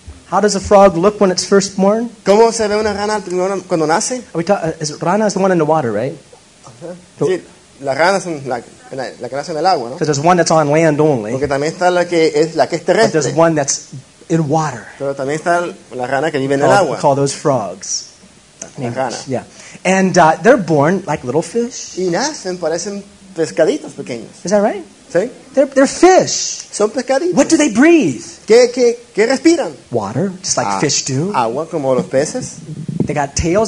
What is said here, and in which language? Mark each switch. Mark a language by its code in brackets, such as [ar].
[en] How does a frog look when it's first born? [es] ¿Cómo se ve una rana cuando nace? [en] Is rana is the one in the water, right? Uh-huh. [es] Sí, la rana es la que nace en el agua, ¿no? [en] So there's one that's on land only. [es] Porque también está la que es terrestre. [en] But there's one that's in water. [es] Pero también está la rana que vive en el agua. [en] We call those frogs. [es] La rana. [en] Yeah. And they're born like little fish. Y nacen, parecen pescaditos pequeños. Is that right? [es] Sí. [en] They're fish. [es] Son pescaditos. [en] What do they breathe? [es] ¿Qué respiran? [en] Water, just like fish do. [es] Agua, como los peces. [en] They got tails.